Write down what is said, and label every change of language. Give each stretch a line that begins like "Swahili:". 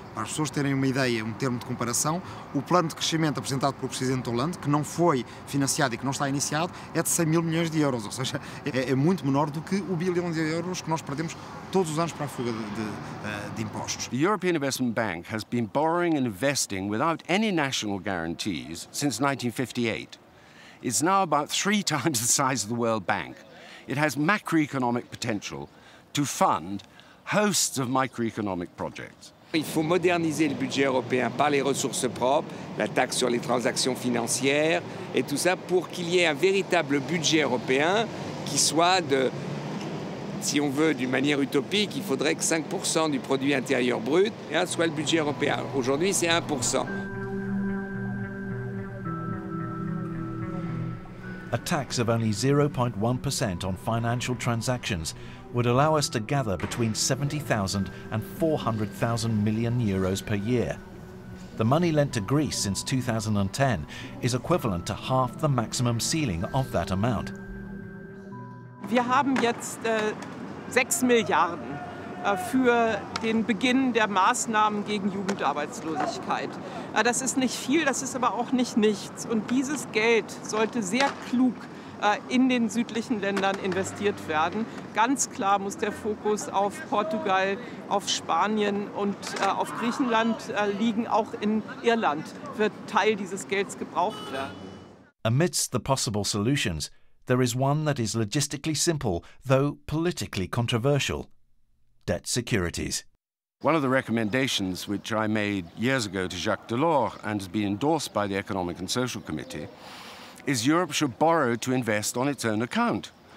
Portuguese: Para as pessoas terem uma ideia, um termo de comparação, o plano de crescimento apresentado pelo Presidente Hollande, que não foi financiado e que não está iniciado, é de 100 mil milhões de euros, ou seja, é muito menor do que o bilhão de euros que nós perdemos todos os anos para a fuga de impostos.
English: The European Investment Bank has been borrowing and investing without any national guarantees since 1958. It's now about 3 times the size of the World Bank. It has macroeconomic potential to fund hosts of microeconomic projects.
French: Il faut moderniser le budget européen par les ressources propres, la taxe sur les transactions financières et tout ça pour qu'il y ait un véritable budget européen qui soit de, si on veut, d'une manière utopique, il faudrait que 5% du produit intérieur brut soit le budget européen. Aujourd'hui, c'est 1%.
English: A tax of only 0.1% on financial transactions would allow us to gather between 70,000 and 400,000 million euros per year. The money lent to Greece since 2010 is equivalent to half the maximum ceiling of that amount.
German: Wir haben jetzt 6 Milliarden für den Beginn der Maßnahmen gegen Jugendarbeitslosigkeit. Das ist nicht viel, das ist aber auch nicht nichts. Und dieses Geld sollte sehr klug in den südlichen Ländern investiert werden. Ganz klar muss der Fokus auf Portugal, auf Spanien und auf Griechenland liegen. Auch in Irland wird Teil dieses Geldes gebraucht werden.
English: Amidst the possible solutions, there is one that is logistically simple, though politically controversial. Debt securities. One of the recommendations which I made years ago to Jacques Delors and has been endorsed by the Economic and Social Committee is Europe should borrow to invest on its own account.